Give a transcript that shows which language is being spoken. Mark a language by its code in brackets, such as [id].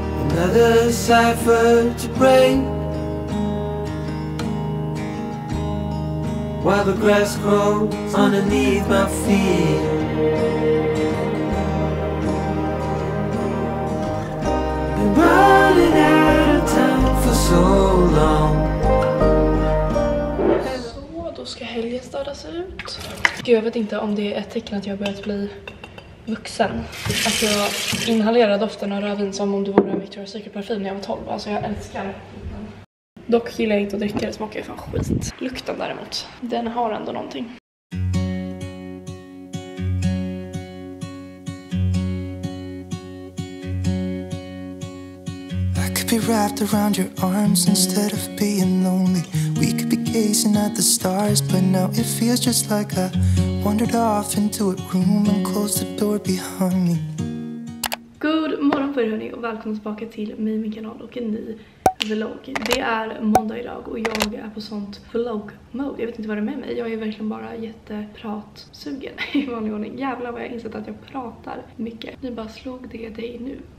[en] Another cipher to break while the grass grows underneath my feet. Been running out of time for so long. [sv] Så, då ska helgen stadas ut. Gud, jag vet inte om det är ett tecken att jag börjat bli vuxen. Alltså jag inhalerade doften av rödvin som om det vore en Victoria's Secret parfym när jag var 12. Alltså jag älskar. Dock gillar jag inte att dricka, det smakar ju fan skit. Lukten däremot, den har ändå någonting. [en] I could be wrapped around your arms instead of being lonely. We could be gazing at the stars, but now it feels just like a wandered off into a room and closed the door behind me. [sv] God morgon på er hörni och välkomna tillbaka till mig, min kanal och en ny vlogg. Det är måndag idag och jag är på sånt vlogg mode. Jag vet inte vad det är med mig, jag är verkligen bara jättepratsugen i vanlig ordning. Jävlar vad jag insett att jag pratar mycket. Ni bara slog det dig nu.